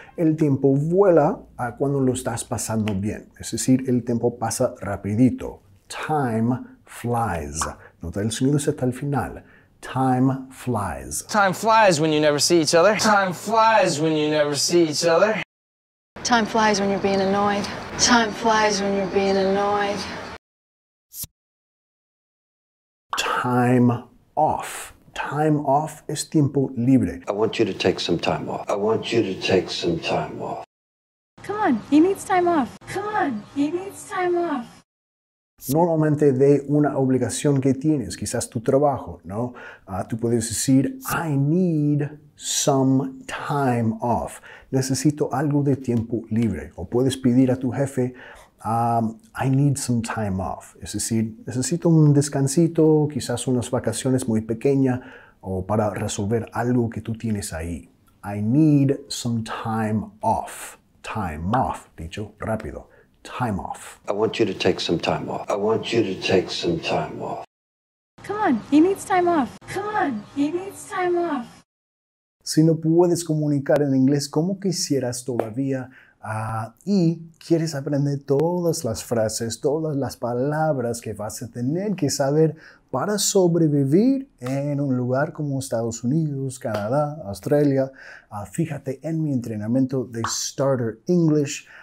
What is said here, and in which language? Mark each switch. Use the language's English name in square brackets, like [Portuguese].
[Spanish] El tiempo vuela cuando lo estás pasando bien. Es decir, el tiempo pasa rapidito. [English] Time flies. [Spanish] Nota el sonido hasta el final. [English] Time flies. Time flies when you never see each other. Time flies when you never see each other. Time flies when you're being annoyed. Time flies when you're being annoyed. [Spanish] Time off. Time off es tiempo libre. [English] I want you to take some time off. I want you to take some time off. Come on, he needs time off. Come on, he needs time off. [Spanish] Normalmente de una obligación que tienes, quizás tu trabajo, ¿no? Tú puedes decir, [English] I need some time off. [Spanish] Necesito algo de tiempo libre. O puedes pedir a tu jefe, [English] I need some time off. [Spanish] Es decir, necesito un descansito, quizás unas vacaciones muy pequeñas, o para resolver algo que tú tienes ahí. [English] I need some time off. Time off, [Spanish] dicho rápido. [English] Time off. I want you to take some time off. I want you to take some time off. Come on, he needs time off. Come on, he needs time off. [Spanish] Si no puedes comunicar en inglés como quisieras todavía y quieres aprender todas las frases, todas las palabras que vas a tener que saber para sobrevivir en un lugar como Estados Unidos, Canadá, Australia, fíjate en mi entrenamiento de Starter English.